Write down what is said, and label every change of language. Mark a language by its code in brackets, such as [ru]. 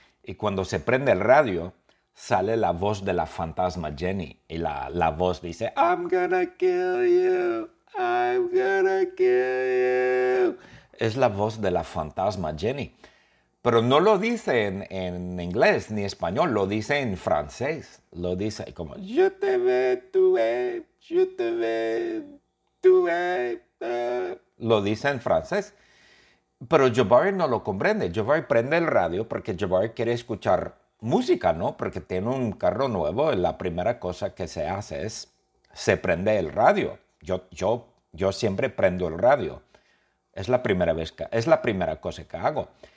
[es] Y cuando se prende el radio, sale la voz de la fantasma Jenny. Y la voz dice, [en] I'm gonna kill you. I'm gonna kill you. [es] Es la voz de la fantasma Jenny. Pero no lo dice en inglés ni español, lo dice en francés. Lo dice como, [fr] je te veux tuer, je te veux tuer. [es] Lo dice en francés. Pero Jabari no lo comprende. Jabari prende el radio porque Jabari quiere escuchar música, ¿no? Porque tiene un carro nuevo y la primera cosa que se hace es, se prende el radio. Yo siempre prendo el radio. Es la primera cosa que hago.